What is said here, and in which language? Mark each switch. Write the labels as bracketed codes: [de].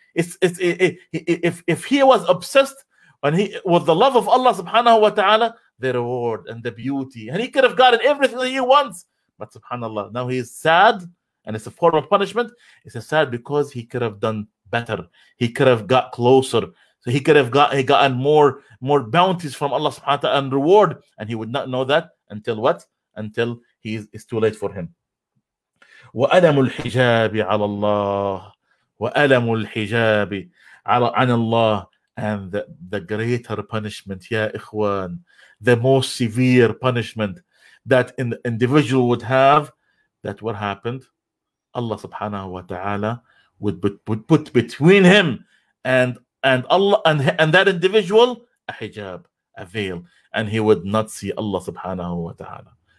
[en] If he was obsessed with the love of Allah subhanahu wa ta'ala, the reward and the beauty, and he could have gotten everything that he wants, but subhanallah, now he is sad, and it's a form of punishment. It's a sad because he could have done better, he could have got closer, so he could have gotten more bounties from Allah subhanahu wa ta'ala and reward, and he would not know that until it's too late for him. [ar] وَأَلَمُ الْحِجَابِ عَلَى اللَّهِ وألم الحجاب عن الله. [en] And the greater punishment, ya ikhwan, the most severe punishment that an individual would have, that what happened, Allah subhanahu wa ta'ala would put between him and Allah and that individual a hijab, a veil, and he would not see Allah subhanahu wa ta'ala.